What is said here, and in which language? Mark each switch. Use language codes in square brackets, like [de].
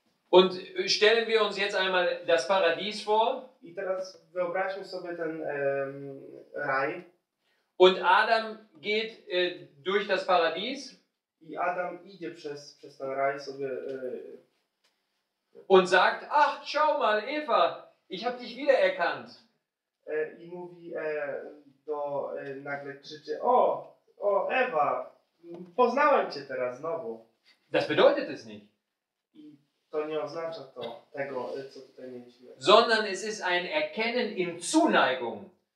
[de] Und stellen wir uns jetzt einmal das Paradies vor. [pl] I teraz wyobraźmy sobie ten raj. [de] Und Adam geht durch das Paradies. [pl] I Adam idzie przez ten raj sobie. [de] Und sagt: Ach, schau mal, Eva, ich habe dich wiedererkannt. [pl] I mówi do nagle krzyczy: O, o Eva, poznałem cię teraz znowu. [de] Das bedeutet es nicht. [pl] I to nie oznacza to tego, co tutaj mieliśmy. [de] Sondern es ist ein Erkennen in Zuneigung.